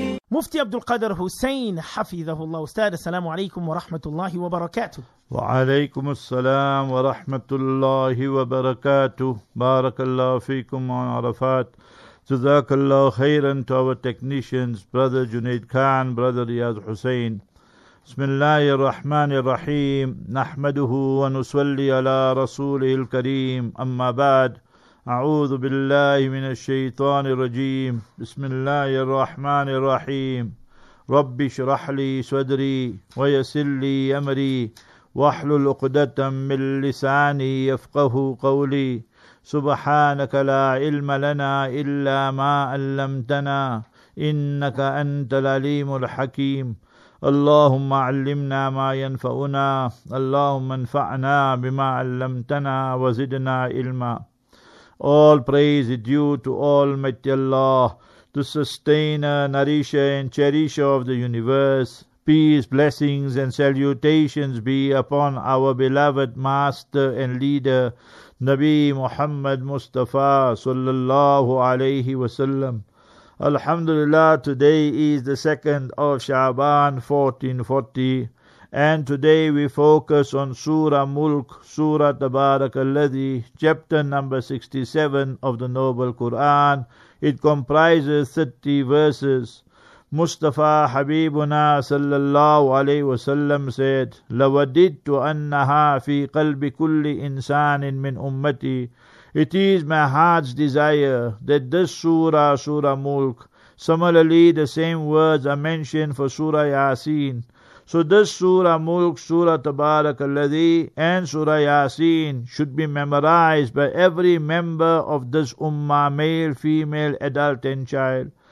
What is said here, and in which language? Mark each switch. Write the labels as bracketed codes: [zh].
[ar] مفتي عبد القادر حسين حفظه الله، أستاذ السلام عليكم ورحمة الله وبركاته. وعليكم السلام ورحمة الله وبركاته. بارك الله فيكم وعرفات. جزاك الله خيرا [en] to our technicians, brother Junaid Khan, brother Riyad Hussain. [ar] بسم الله الرحمن الرحيم، نحمده ونصلي على رسوله الكريم، أما بعد، أعوذ بالله من الشيطان الرجيم. بسم الله الرحمن الرحيم، رب اشرح لي صدري ويسر لي أمري واحلل عقدة من لساني يفقه قولي. سبحانك لا علم لنا إلا ما علمتنا إنك أنت العليم الحكيم. اللهم علمنا ما ينفعنا، اللهم انفعنا بما علمتنا وزدنا علما. [en] All praise is due to Almighty Allah, the sustainer, nourisher and cherisher of the universe. Peace, blessings and salutations be upon our beloved master and leader, Nabi Muhammad Mustafa sallallahu alayhi wa sallam. Alhamdulillah, today is the 2nd of Shaban 1440. And today we focus on Surah Mulk, Surah Tabarak Alladhi, chapter number 67 of the Noble Quran. It comprises 30 verses. [ar] Mustafa Habibuna sallallahu alayhi wa sallam said, لَوَدِدْتُ أَنَّهَا فِي قَلْبِ كُلِّ إِنسَانٍ مِّنْ أُمَّتِي. [en] It is my heart's desire that this Surah, Surah Mulk, similarly the same words are mentioned for Surah Yasin. So this Surah Mulk, Surah Tabarak Alladhi and Surah Yasin should be memorized by every member of this Ummah, male, female, adult and child.